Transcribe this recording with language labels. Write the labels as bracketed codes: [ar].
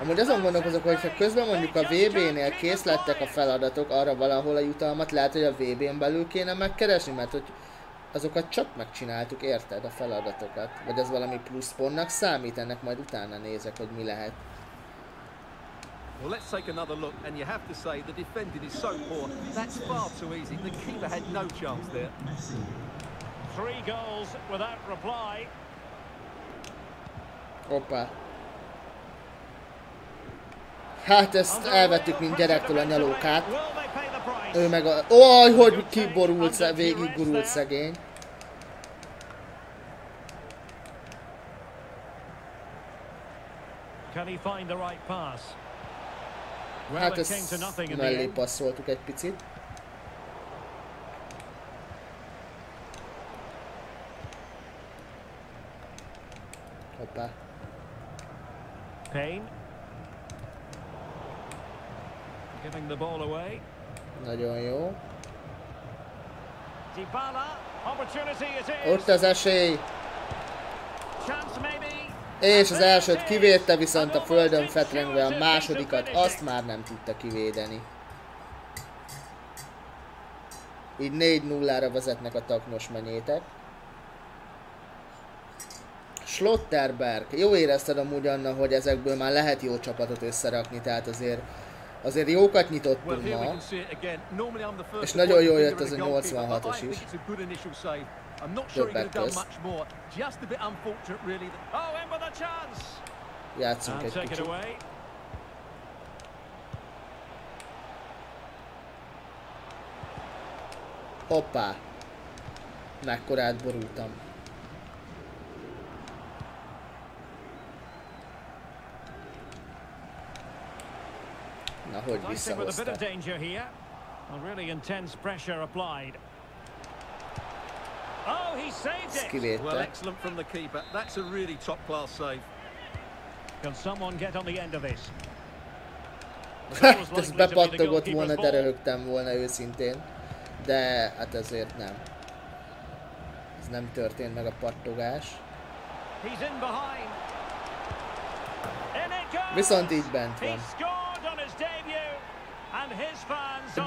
[hu] Amúgy azon gondolkozok, hogy ha közben mondjuk a VB-nél kész lettek a feladatok arra valahol a jutalmat, lehet, hogy a VB-n belül kéne megkeresni, mert hogy azokat csak megcsináltuk, érted, a feladatokat. Vagy ez valami plusz pontnak számít, ennek majd utána nézek, hogy mi lehet. [en] Well, let's take another look, and you have to say the defending is so poor. That's far too easy. The keeper had no chance there. Three goals without reply. Opa. [hu] Hát ezt elvettük, mint gyerektől a nyalókát. Ő meg a... Oj, hogy kiborult, végig gurult szegény. [en] Can he find the right pass? [hu] Hát ezt mellé passzoltuk egy picit. Hoppá. [en] Giving the ball away. [hu] Nagyon jó. [en] Dybala, opportunity is in. [hu] Ott az esély. [en] Chance maybe. [hu] És az elsőt kivédte, viszont a földön fetrengve a másodikat azt már nem tudta kivédeni. Így 4-0-ra vezetnek a taknos menyétek. Schlotterberg. Jó érezted amúgy, Anna, hogy ezekből már lehet jó csapatot összerakni, tehát azért jókat nyitottunk ma. És nagyon jól jött ez a 86-os is. [en] I'm not sure he could have done much more. Just a bit unfortunate, really. Oh, and with a chance! Yeah, it's okay. Take it away. [hu] Hoppá! Mekkora átborultam. Na, hogy visszahozta? [en] A really intense pressure applied. Oh, he saved it. Well, excellent from the keeper. That's a really top class save. Can someone get on the end of this? [hu] Ez bepattogott volna, de röhögtem volna őszintén. De hát ezért nem. Ez nem történt meg a pattogás. [en] He's in behind. [hu] Viszont így bent van. [en] He scored on his debut, and his fans are